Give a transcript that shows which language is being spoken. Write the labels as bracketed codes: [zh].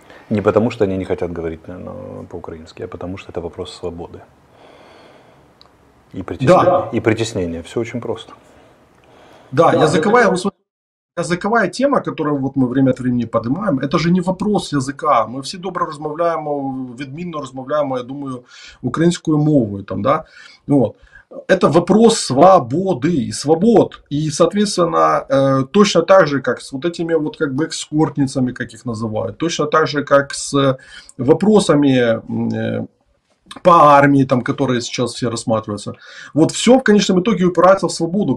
[ru] Не потому что они не хотят говорить, наверное, по-украински, а потому что это вопрос свободы. И притеснение. Все очень просто. Да, языковая тема, которую вот мы время от времени поднимаем, это же не вопрос языка. Мы все [uk] добре розмовляємо, відмінно розмовляємо, я думаю, українською мовою. [ru] Там, да? Вот. Это вопрос свободы, свобод. И, соответственно, точно так же, как с вот этими вот как бы экскортницами, как их называют, точно так же, как с вопросами... по армии, там, которые сейчас все рассматриваются. Вот все в конечном итоге упирается в свободу.